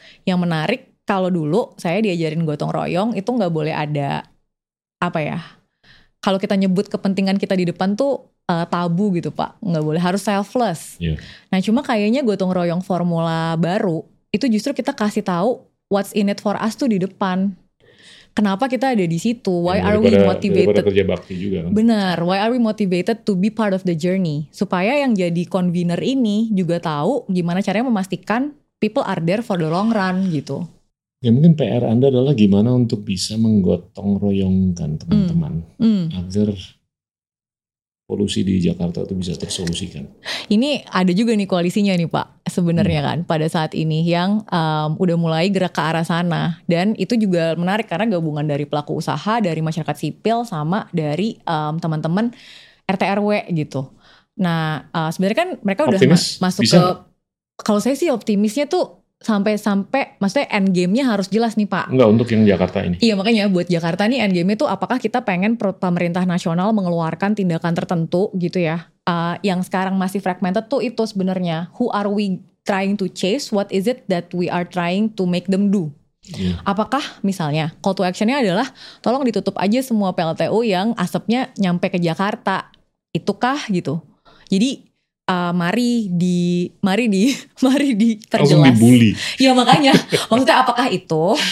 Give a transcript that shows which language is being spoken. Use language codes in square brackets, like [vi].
[id] Yang menarik, kalau dulu saya diajarin gotong royong itu gak boleh ada apa ya, kalau kita nyebut kepentingan kita di depan tuh tabu gitu Pak, gak boleh, harus selfless. Nah cuma kayaknya gotong royong formula baru itu justru kita kasih tahu [en] what's in it for us [id] tuh di depan. Kenapa kita ada di situ? [en] Why are we motivated? [id] Daripada kerja bakti juga kan? Benar. [en] Why are we motivated to be part of the journey? [id] Supaya yang jadi convener ini juga tahu gimana caranya memastikan [en] people are there for the long run [id] gitu. Ya mungkin PR Anda adalah gimana untuk bisa menggotong royongkan teman-teman agar polusi di Jakarta itu bisa tersolusikan. Ini ada juga nih koalisinya nih Pak sebenarnya kan pada saat ini yang udah mulai gerak ke arah sana. Dan itu juga menarik karena gabungan dari pelaku usaha, dari masyarakat sipil, sama dari teman-teman RT/RW gitu. Nah sebenarnya kan mereka udah masuk bisa ke, kalau saya sih optimisnya tuh sampai-sampai, maksudnya end game-nya harus jelas nih Pak. Enggak, untuk yang Jakarta ini. Iya, makanya buat Jakarta nih end game-nya tuh apakah kita pengen pemerintah nasional mengeluarkan tindakan tertentu gitu ya. Yang sekarang masih fragmented tuh itu sebenarnya. [en] Who are we trying to chase? What is it that we are trying to make them do? [id] Apakah misalnya call to action-nya adalah tolong ditutup aja semua PLTU yang asapnya nyampe ke Jakarta. Itukah gitu. Jadi mari diperjelas. Langsung dibully. Ya makanya, maksudnya apakah itu?